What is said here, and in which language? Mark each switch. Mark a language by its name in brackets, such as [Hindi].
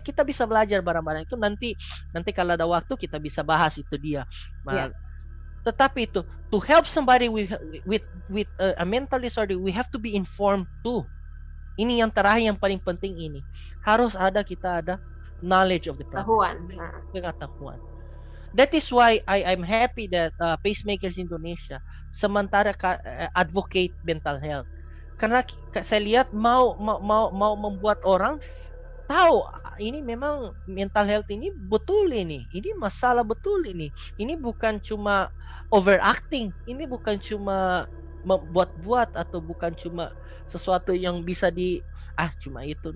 [Indonesian] Kita bisa belajar barang-barang itu, nanti nanti kalau ada waktu kita bisa bahas itu dia. Ya. Yeah. Tetapi itu [English] to help somebody with a mental disorder, we have to be informed too. [Indonesian] Ini yang terakhir yang paling penting, ini harus ada, kita ada [English] knowledge of the problem. [Indonesian] Tahuan. Pengetahuan. [English] That is why I'm happy that Pacemakers Indonesia [Indonesian] sementara [English] advocate mental health. [Indonesian] Karena saya lihat mau membuat orang tahu ini memang mental health ini betul, ini masalah betul, ini bukan cuma overacting, ini bukan cuma membuat-buat atau bukan cuma sesuatu yang bisa di cuma itu.